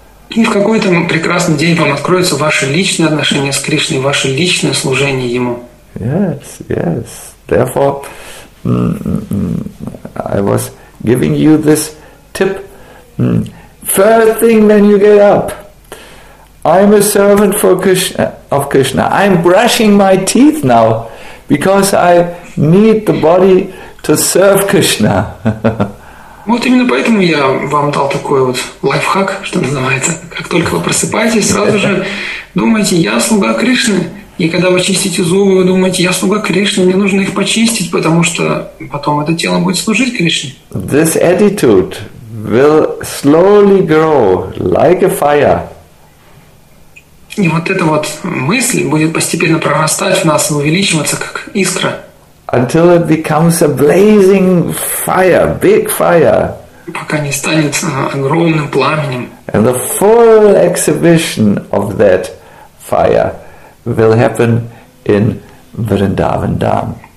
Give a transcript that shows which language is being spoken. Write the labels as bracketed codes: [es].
[ru] И в какой-то прекрасный день вам откроются ваши личные отношения с Кришной, ваше личное служение Ему. [en] Yes, yes. Therefore, I was giving you this tip. First thing when you get up, I'm a servant for Krishna, of Krishna. I'm brushing my teeth now, because I need the body to serve Krishna. [ru] Вот именно поэтому я вам дал такой вот лайфхак, что называется. Как только вы просыпаетесь, сразу же думаете, я слуга Кришны. И когда вы чистите зубы, вы думаете, я слуга Кришны, мне нужно их почистить, потому что потом это тело будет служить Кришне. [en] This attitude will slowly grow like a fire. [ru] И вот эта вот мысль будет постепенно прорастать в нас и увеличиваться, как искра. [en] Until it becomes a blazing fire, big fire. [ru] Пока не станет огромным пламенем. [en] And the full exhibition of that fire will happen in Vrindavan Dham.